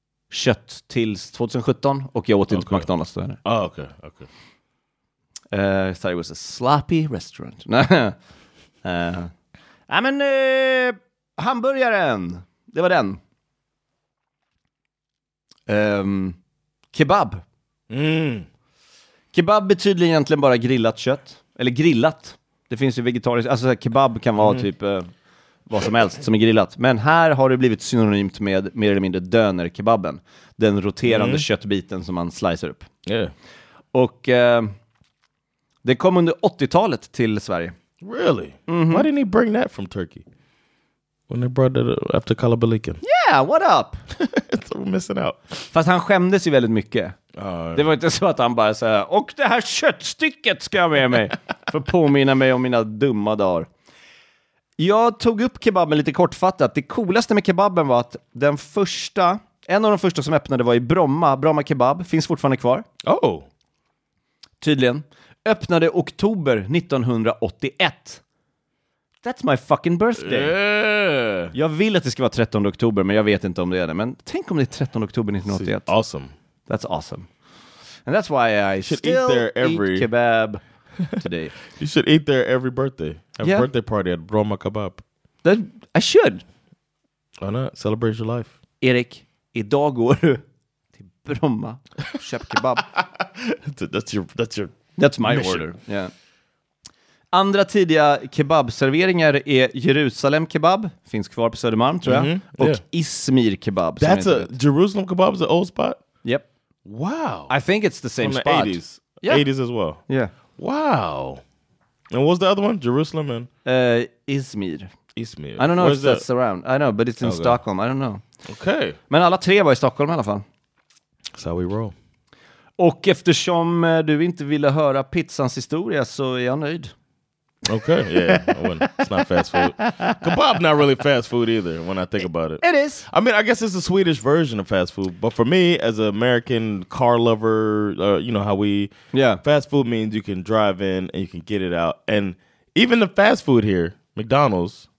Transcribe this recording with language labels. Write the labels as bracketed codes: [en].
[sv] kött tills 2017 och jag åt inte på McDonald's då. Okej. [en] Thought it was a sloppy restaurant. [sv] Nej, men hamburgaren. Det var den. Kebab. Kebab betyder egentligen bara grillat kött. Eller grillat. Det finns ju vegetariskt. Alltså kebab kan vara typ vad som helst som är grillat. Men här har det blivit synonymt med mer eller mindre dönerkebabben. Den roterande köttbiten som man slicer upp. [en] Yeah. [sv] Och det kom under 80-talet till Sverige. [en] Really? Mm-hmm. Why didn't he bring that from Turkey? When they brought it after kalabaliken. Yeah, what up? So we're missing out. [sv] Fast han skämdes ju väldigt mycket. Det var inte så att han bara sa, och det här köttstycket ska jag med mig. För att påminna mig om mina dumma dagar. Jag tog upp kebaben lite kortfattat. Det coolaste med kebaben var att den första, en av de första som öppnade var i Bromma. Bromma kebab finns fortfarande kvar. Oh! Tydligen. Öppnade oktober 1981. [en] That's my fucking birthday. [sv] Jag vill att det ska vara 13 oktober, men jag vet inte om det är det. Men tänk om det är 13 oktober 1981. [en] See, awesome. That's awesome. And that's why I should still eat, eat kebab today. You should eat there every birthday. Have a birthday party at Bromma Kebab. That, I should. Why not? Celebrate your life. [sv] Erik, idag går du till Bromma och köp kebab. [en] That's your that's my mission. Order. Yeah. [sv] Andra tidiga kebabserveringar är Jerusalem kebab. Finns kvar på Södermalm, tror jag. Och Izmir kebab. [en] That's a Jerusalem kebab is the old spot? Yep. Wow. I think it's the same from spot. The 80s. Yeah. 80s as well. Yeah. Wow. And what's the other one? Jerusalem and... Izmir. Izmir. I don't know where if that's that? Around. I know, but it's in Stockholm. I don't know. Okay. [sv] Men alla tre var i Stockholm i alla fall. [en] That's how we roll. [sv] Och eftersom du inte ville höra pizzans historia så är jag nöjd. [en] Okay, yeah. Well, it's not fast food. Kebab not really fast food either when I think about it. It is. I mean, I guess it's a Swedish version of fast food. But for me, as an American car lover, you know how we... Yeah. Fast food means you can drive in and you can get it out. And even the fast food here, McDonald's,